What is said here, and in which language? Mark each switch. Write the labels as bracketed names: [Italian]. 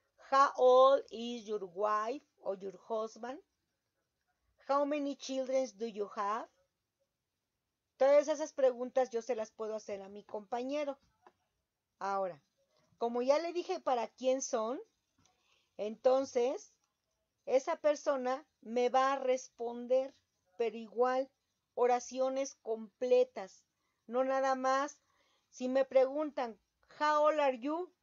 [English] How old is your wife or your husband? How many children do you have? [Spanish] Todas esas preguntas yo se las puedo hacer a mi compañero. Ahora, como ya le dije para quién son, entonces esa persona me va a responder, pero igual oraciones completas, no nada más. Si me preguntan, [English] how old are you?